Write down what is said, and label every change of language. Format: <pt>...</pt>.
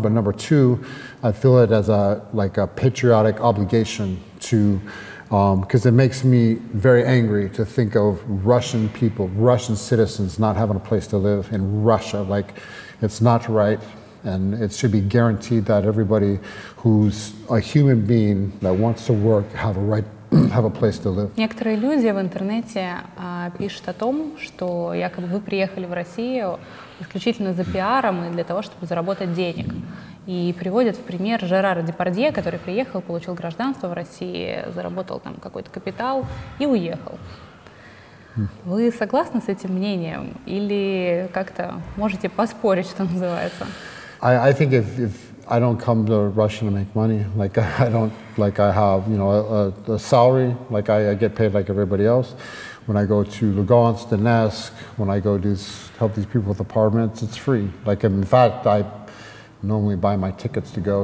<en>But number two, I feel it as a patriotic obligation to, because it makes me very angry to think of Russian people, Russian citizens not having a place to live in Russia. Like, it's not right, and it should be guaranteed that everybody who's a human being that wants to work have a right, have a place to live.</en> <ru>Некоторые люди в интернете пишут о том, что якобы вы приехали в Россию исключительно за пиаром и для того, чтобы заработать денег. И приводят в пример Жерара Депардье, который приехал, получил гражданство в России, заработал там какой-то капитал и уехал. Вы согласны с этим мнением или как-то можете поспорить, что называется?</ru> <en>I think if I don't come to Russia to make money, like I don't, like I have, you know, a salary, like I get paid like everybody else. When I go to Lugansk, Donetsk, when I go to help these people with apartments, it's free. Like, in fact, I normally buy my tickets to go.</en>